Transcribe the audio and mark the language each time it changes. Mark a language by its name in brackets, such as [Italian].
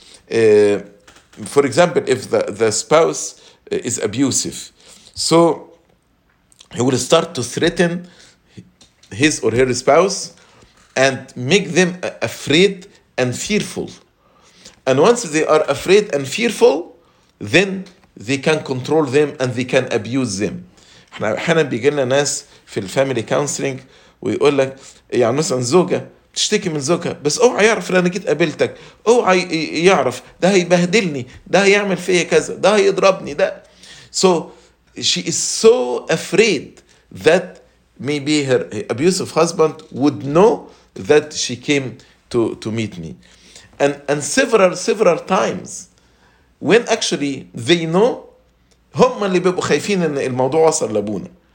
[English] For example, if the spouse is abusive, so he will start to threaten his or her spouse and make them afraid and fearful. And once they are afraid and fearful, then they can control them and they can abuse them. [Arabic] احنا احيانا بيجي لنا ناس في الفاميلي كونسلنج ويقول لك يعني مثلا زوجه تشتكي من زوجها، بس اوعى يعرف ان انا جيت قابلتك، اوعى يعرف ده هيبهدلني، ده هيعمل فيا كذا، ده هيضربني، ده. [English] So she is so afraid that maybe her abusive husband would know that she came to meet me. And several times when actually they know, [Arabic] هم اللي بيبقوا خايفين ان الموضوع وصل لابونا.